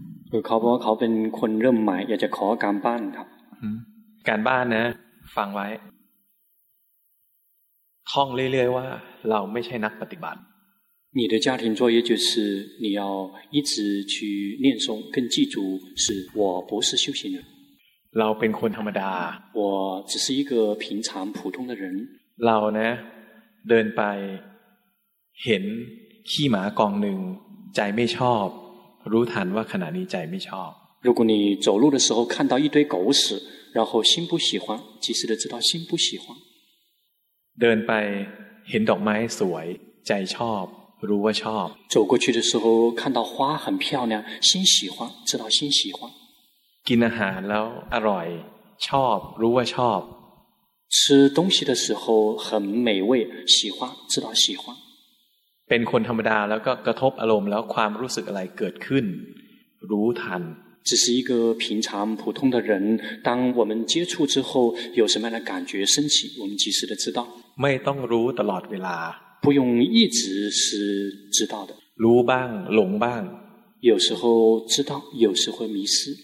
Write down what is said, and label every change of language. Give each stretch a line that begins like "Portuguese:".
Thai: คือเขาบอกว่าเขาเป็นคนเริ่มใหม่อยากจะขอการบ้านครับ การบ้านนะฟังไว้ท่องเรื่อยๆว่าเราไม่ใช่นักปฏิบัติ
Chinese: 你的家庭作业就是你要一直去念诵跟记住是我不是修行人
Thai: เราเป็นคนธรรมดา
Chinese: 我只是一个平常普通的人
Thai: เรานะเดินไปเห็นขี้หมากองหนึ่งใจไม่ชอบรู้ทันว่าขณะนี้ใจไม่ชอบ
Chinese: 如果你走路的时候看到一堆狗屎然后心不喜欢及时的知道心不喜欢
Thai: เดินไปเห็นดอกไม้สวยใจชอบรู้ว่าชอบ
Chinese: 走过去的时候看到花很漂亮心喜欢知道心喜欢
Thai: กินอาหารแล้วอร่อยชอบรู้ว่าชอบ
Chinese: 吃东西的时候很美味喜欢知道喜欢
Thai: เป็นคนธรรมดาแล้วก็กระทบอารมณ์แล้วความรู้สึกอะไรเกิดขึ้นรู้ทัน
Chinese: 只是一个平常普通的人当我们接触之后有什么样的感觉升起我们及时的知道
Thai: ไม่ต้องรู้ตลอดเวลา
Chinese: 不用一直是知道的
Thai: รู้บ้างหลงบ้าง
Chinese: 有时候知道有时候迷失